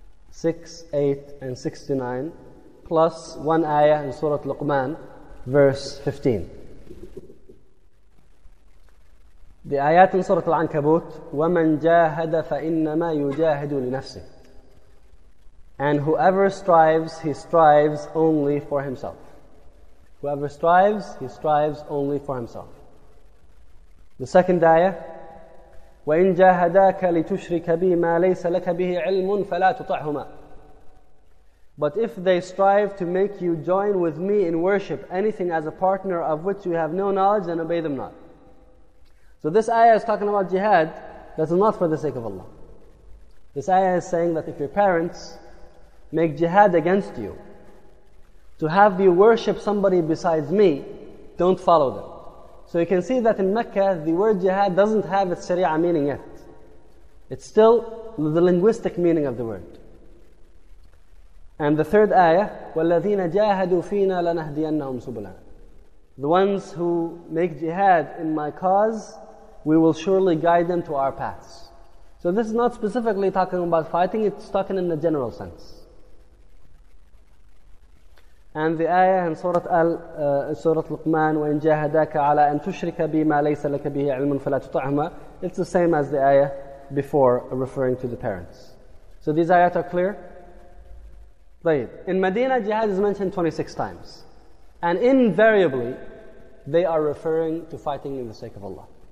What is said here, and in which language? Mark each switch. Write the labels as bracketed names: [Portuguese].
[English] 6, 8, and 69. Plus one ayah in Surah Luqman, verse 15. The ayat in Surah Al-Ankabut, [Arabic] وَمَنْ جَاهَدَ فَإِنَّمَا يُجَاهِدُ لِنَفْسِهِ. [English] And whoever strives, he strives only for himself. Whoever strives, he strives only for himself. The second ayah, [Arabic] وَإِنْ جَاهَدَاكَ لِتُشْرِكَ بِي مَا لَيْسَ لَكَ بِهِ عِلْمٌ فَلَا تُطَعْهُمَا. [English] But if they strive to make you join with me in worship anything as a partner of which you have no knowledge, then obey them not. So this ayah is talking about jihad that is not for the sake of Allah. This ayah is saying that if your parents make jihad against you to have you worship somebody besides me, don't follow them. So you can see that in Mecca, the word jihad doesn't have its sharia meaning yet. It's still the linguistic meaning of the word. And the third ayah, [Arabic] وَالَّذِينَ جَاهَدُوا فِينا لَنَهْدِيَنَّهُمْ سُبُلًا. [English] The ones who make jihad in my cause, we will surely guide them to our paths. So this is not specifically talking about fighting, it's talking in a general sense. And the ayah in Surah Luqman, [Arabic] وَإِنْ جَاهَدَاكَ عَلَىٰ أَنْ تُشْرِكَ بِي مَا لَيْسَ لَكَ بِهِ عِلْمٌ فَلَا تُطَعْهُمَا. [English] It's the same as the ayah before, referring to the parents. So these ayahs are clear. In Medina, jihad is mentioned 26 times. And invariably, they are referring to fighting in the sake of Allah.